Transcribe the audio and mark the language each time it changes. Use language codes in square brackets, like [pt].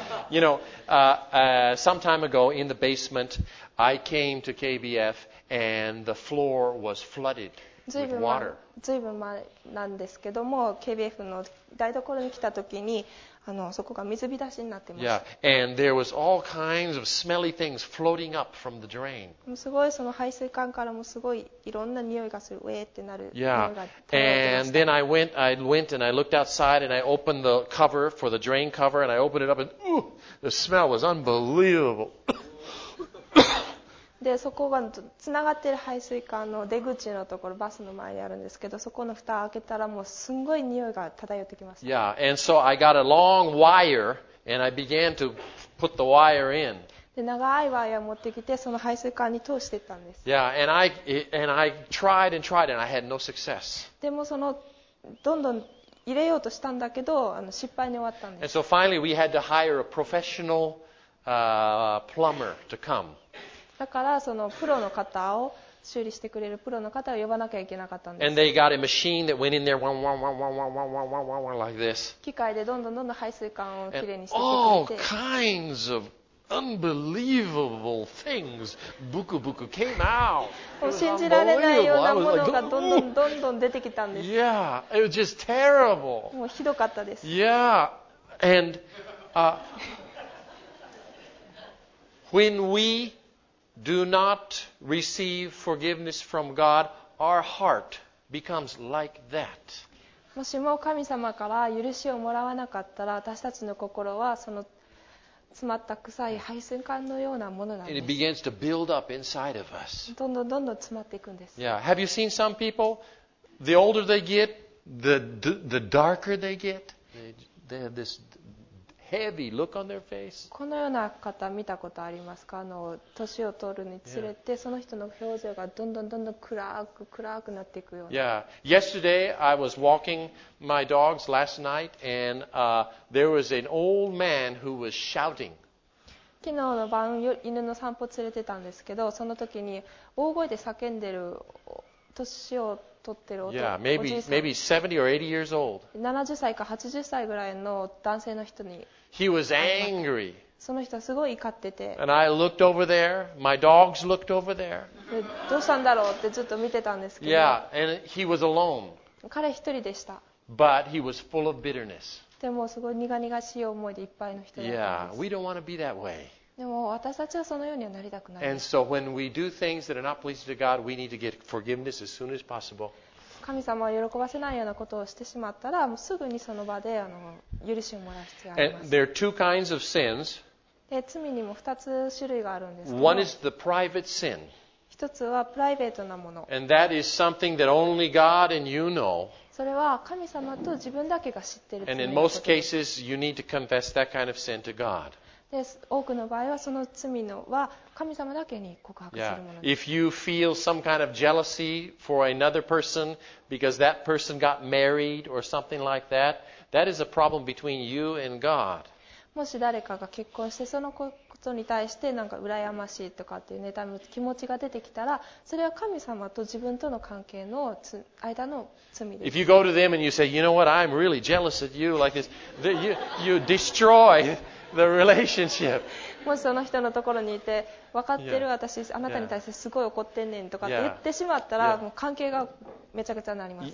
[en] You know, some time ago in the basement, I came to KBF and the floor was flooded with water. [ja] ずいぶん前なんですけども、KBF の台所に来た時に、そこが水浸しになってました。 [en] Yeah, and there was all kinds of smelly things floating up from the drain. [ja] すごいその排水管からもすごいいろんな匂いがする、ウェーってなる匂いが漂ってました。 [en] And then I went and I looked outside and I opened the cover for the drain cover and I opened it up and ooh, the smell was unbelievable. [ja] でそこがつながっている排水管の出口のところバスの前にあるんですけどそこの蓋を開けたらもうすんごい匂いが漂ってきました。 [en] Yeah, and so I got a long wire and I began to put the wire in. [ja] で長いワイヤーを持ってきてその排水管に通していったんです。 [en] Yeah, and I tried and tried and I had no success. [ja] でもそのどんどん入れようとしたんだけど失敗に終わったんです。 [en] And so finally we had to hire a professional, plumber to come. [ja] だからそのプロの方を修理してくれるプロの方を呼ばなきゃいけなかったんです。 [en] And they got a machine that went in there, one, one, one, one, one, one, one, one, one, like this. [ja] 機械でどんどんどんどん排水管をきれいにしてくれて。 [en] All kinds of unbelievable things, ブクブク came out. [ja] 信じられないようなものがどんどんどんどん出てきたんです。 [en] Yeah, it was just terrible. [ja] もうひどかったです。 [en] Yeah, and when we do not receive forgiveness from God, our heart becomes like that. [ja] もしも神様から許しをもらわなかったら、私たちの心はその詰まった臭い排水管のようなものなんです。 [en] It begins to build up inside of us. [ja] どんどんどんどん詰まっていくんです。 [en] Yeah. Have you seen some people? The older they get, the darker they get. They have this heavy look on their face. [ja] このような方見たことありますか？年を取るにつれてその人の表情がどんどんどんどん暗くなっていくような。 [en] Yeah. Yesterday I was walking my dogs last night and there was an old man who was shouting. [ja] 昨日の晩犬の散歩連れてたんですけど、その時に大声で叫んでる年を取ってる [en] maybe 70 or 80 years old. [ja] 70歳か80歳ぐらいの男性の人に。 [en] He was angry. [ja] その人はすごい怒ってて。 [en] And I looked over there. My dogs looked over there. [ja] どうしたんだろうってずっと見てたんですけど。 [en] Yeah, and he was alone. [ja] 彼一人でした。 [en] But he was full of bitterness. [ja] でもすごい苦々しい思いでいっぱいの人だったんです。 [en] Yeah, we don't want to be that way. [ja] でも私たちはそのようにはなりたくない。 [en] And so when we do things that are not pleasing to God, we need to get forgiveness as soon as possible. [ja] 神様を喜ばせないようなことをしてしまったら、もうすぐにその場で許しをもらう必要があります。 [en] And there are two kinds of sins. [ja] で、罪にも二つ種類があるんですけ [en] ど。One is the private sin. [ja] 一つはプライベートなもの。 [en] And that is something that only God and you know. [ja] それは神様と自分だけが知ってる罪。 [en] And in most cases, you need to confess that kind of sin to God. [ja] で多くの場合はその罪のは神様だけに告白するものです。 [en] Yeah. If you feel some kind of jealousy for another person because that person got married or something like that, that is a problem between you and God. [ja] もし誰かが結婚してそのことに対してなんか羨ましいとかっていう妬む気持ちが出てきたら、それは神様と自分との関係の間の罪です。 [en] If you go to them and you say, you know what, I'm really jealous at you like this, you destroy. The relationship. [ja] もしその人のところにいて、分かってる私、あなたに対してすごい怒ってんねんとかって言ってしまったら、もう関係がめちゃくちゃになります。